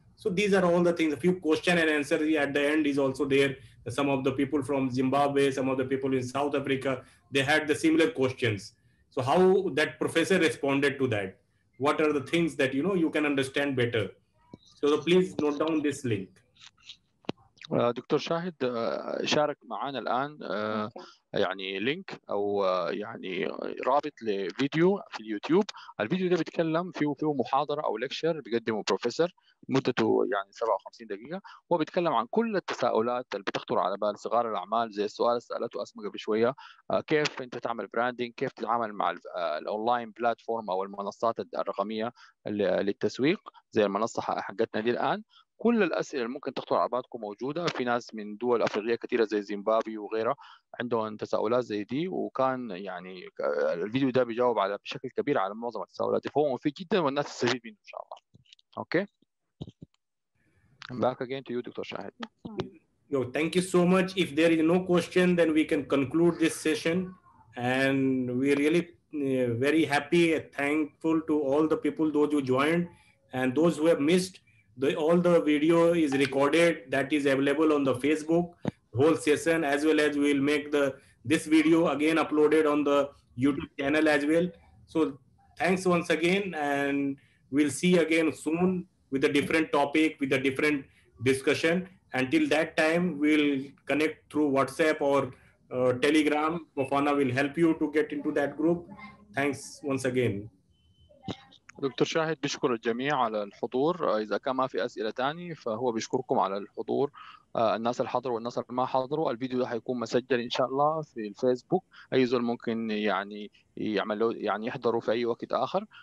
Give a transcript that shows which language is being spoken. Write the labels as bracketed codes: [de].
[en] So these are all the things. A few question and answer at the end is also there. Some of the people from Zimbabwe, some of the people in South Africa, they had the similar questions. So how that professor responded to that? What are the things that, you know, you can understand better? So please note down this link. [ar] دكتور شاهد شارك معنا الآن يعني لينك أو يعني رابط لفيديو في اليوتيوب. الفيديو ده بيتكلم فيه محاضرة أو ليكشر بيقدمه بروفيسور مدته يعني 57 دقيقة، وبيتكلم عن كل التساؤلات اللي بتخطر على بال صغار الأعمال، زي السؤال سألته أسمى قبل شوية، كيف أنت تعمل براندينج، كيف تتعامل مع الأونلاين بلاتفورم أو المنصات الرقمية للتسويق زي المنصة حقتنا دي الآن. كل الأسئلة اللي ممكن تخطر على بالكم موجودة. في ناس من دول أفريقية كثيرة زي زيمبابوي وغيرها عندهم تساؤلات زي دي، وكان يعني الفيديو ده بيجاوب على بشكل كبير على معظم التساؤلات، فهو مفيد جدا والناس تستفيد منه إن شاء الله. [en] Okay back again to you doctor شاهد. Yo, thank you so much. If there is no question, then we can conclude this session. And we really very happy and thankful to all the people, those who joined and those who have missed. All the video is recorded, that is available on the Facebook whole session, as well as we'll make this video again uploaded on the YouTube channel as well. So thanks once again, and we'll see again soon with a different topic, with a different discussion. Until that time, we'll connect through WhatsApp or Telegram. Bofana will help you to get into that group. Thanks once again. [ar] دكتور شاهد بشكر الجميع على الحضور. إذا كان ما في أسئلة تاني فهو بشكركم على الحضور، الناس الحاضر والناس اللي ما حاضروا. الفيديو ده هيكون مسجل إن شاء الله في الفيسبوك، أي زول ممكن يعني يعملوا يعني يحضروا في أي وقت آخر.